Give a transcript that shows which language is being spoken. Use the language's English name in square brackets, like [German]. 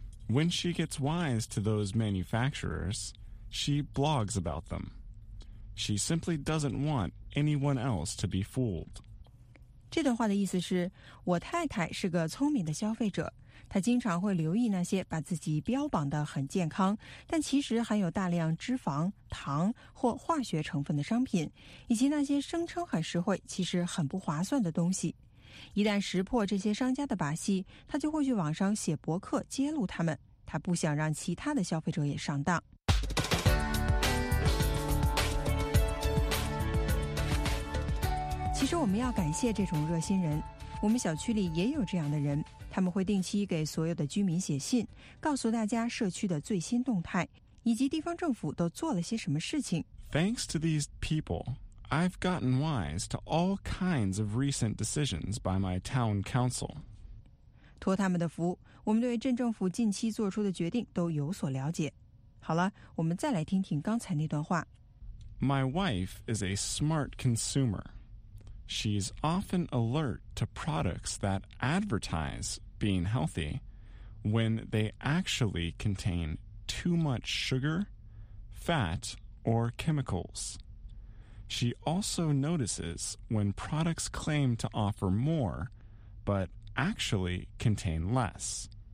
[English] When she gets wise to those manufacturers, she blogs about them. She simply doesn't want anyone else to be fooled. [Chinese] 这段话的意思是，我太太是个聪明的消费者。他经常会留意那些把自己标榜得很健康，但其实含有大量脂肪、糖或化学成分的商品，以及那些声称很实惠，其实很不划算的东西。一旦识破这些商家的把戏，他就会去网上写博客揭露他们。他不想让其他的消费者也上当。其实我们要感谢这种热心人，我们小区里也有这样的人。他们会定期给所有的居民写信，告诉大家社区的最新动态，以及地方政府都做了些什么事情。 [English] Thanks to these people, I've gotten wise to all kinds of recent decisions by my town council. [Chinese] 托他们的福，我们对镇政府近期做出的决定都有所了解。好了，我们再来听听刚才那段话。 [English] My wife is a smart consumer. She's often alert to products that advertise being healthy when they actually contain too much sugar, fat, or chemicals. She also notices when products claim to offer more, but actually contain less.